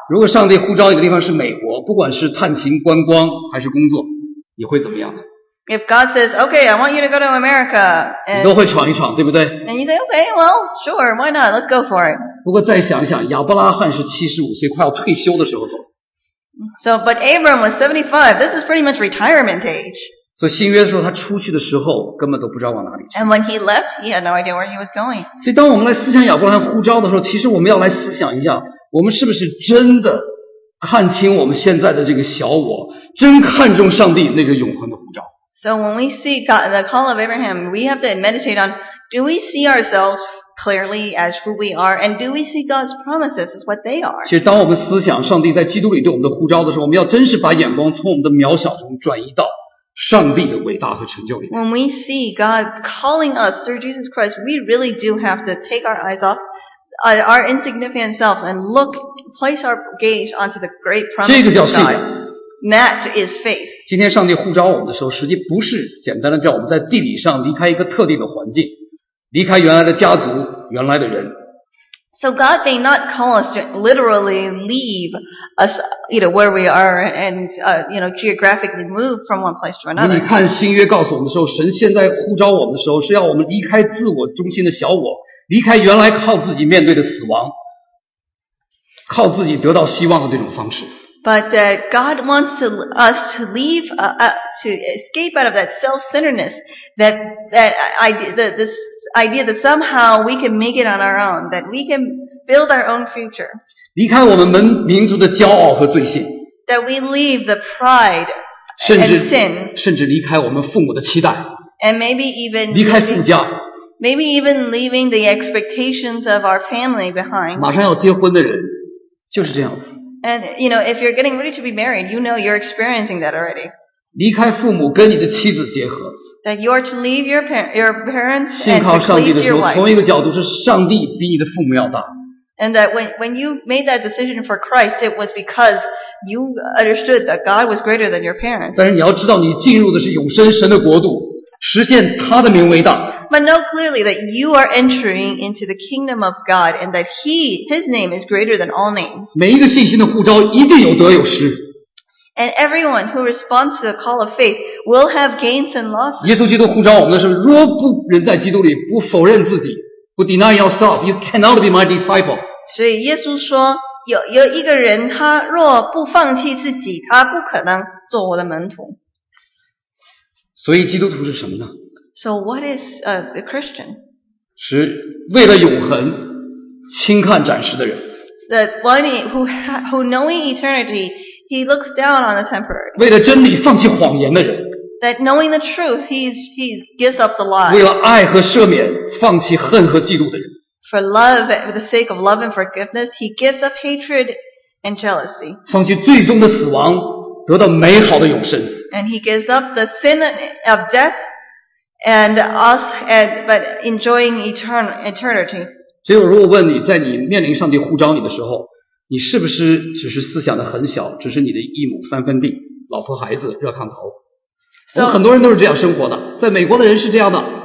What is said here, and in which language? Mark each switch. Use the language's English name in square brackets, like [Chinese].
[Chinese] 如果上帝呼召一个地方是美国，不管是探亲、观光还是工作，你会怎么样？ [English] If God says, "Okay, I want you to go to America," and [Chinese] 你都会闯一闯，对不对 [English] ？And you say, "Okay, well, sure, why not? Let's go for it." [Chinese] 不过再想一想，亚伯拉罕是75岁快要退休的时候走。 [English] So, but Abram was 75. This is pretty much retirement age. [Chinese] 所以新约的时候，他出去的时候根本都不知道往哪里去。 [English] And when he left, he had no idea where he was going. [Chinese] 所以当我们来思想亚伯拉罕呼召的时候，其实我们要来思想一下，我们是不是真的看清我们现在的这个小我，真看重上帝那个永恒的呼召。 [English] So when we see God, the call of Abraham, we have to meditate on, do we see ourselves clearly as who we are, and do we see God's promises as what they are? [Chinese] 其实当我们思想上帝在基督里对我们的呼召的时候，我们要真是把眼光从我们的渺小中转移到上帝的伟大和成就里。 [English] When we see God calling us through Jesus Christ, we really do have to take our eyes off our insignificant selves and look, place our gaze onto the great promise of God. [Chinese] 这个叫信仰。 [English] That is faith. [Chinese] 今天上帝呼召我们的时候，实际不是简单的叫我们在地理上离开一个特定的环境，离开原来的家族，原来的人。 [English] So God may not call us to literally leave us, you know, where we are and, you know, geographically move from one place to another. [Chinese] 你看新约告诉我们的时候，神现在呼召我们的时候，是要我们离开自我中心的小我，离开原来靠自己面对的死亡，靠自己得到希望的这种方式。 [English] But God wants us to leave, to escape out of that self-centeredness, this idea that somehow we can make it on our own, that we can build our own future. [Chinese] 离开我们民族的骄傲和罪性。 [English] That we leave the pride and sin. [Chinese] 甚至离开我们父母的期待。 [English] And maybe even [Chinese] 离开父家。 [English] Maybe even leaving the expectations of our family behind. [Chinese] 马上要结婚的人就是这样。 [English] And, you know, if you're getting ready to be married, you know you're experiencing that already. [Chinese] 离开父母跟你的妻子结合。 [English] That you are to leave your parents and to [Chinese] 信靠上帝的时候，从一个角度是上帝比你的父母要大。 [English] And that when you made that decision for Christ, it was because you understood that God was greater than your parents. [Chinese] 但是你要知道，你进入的是永生神的国度，实现他的名为大。 [English] But know clearly that you are entering into the kingdom of God and that his name is greater than all names. [Chinese] 每一个信心的呼召一定有得有失。 [English] And everyone who responds to the call of faith will have gains and losses. [Chinese] 耶稣基督呼召我们的是若不人在基督里不否认自己不 [English] deny yourself, you cannot be my disciple. [Chinese] 所以耶稣说有一个人他若不放弃自己他不可能做我的门徒。所以基督徒是什么呢？ [English] So what is a Christian? [Chinese] 是为了永恒轻看暂时的人。 [English] The one who knowing eternity, he looks down on the temporary. [Chinese] 为了真理放弃谎言的人。 [English] That knowing the truth, he gives up the lie. [Chinese] 为了爱和赦免放弃恨和嫉妒的人。 [English] For love, for the sake of love and forgiveness, he gives up hatred and jealousy. [Chinese] 放弃最终的死亡得到美好的永生。 [English] And he gives up the sin of death,And us, but enjoying eternity. [Chinese] 所以我如果问你，在你面临上帝呼召你的时候，你是不是只是思想的很小，只是你的一亩三分地，老婆孩子热炕头？我们很多人都是这样生活的，在美国的人是这样的。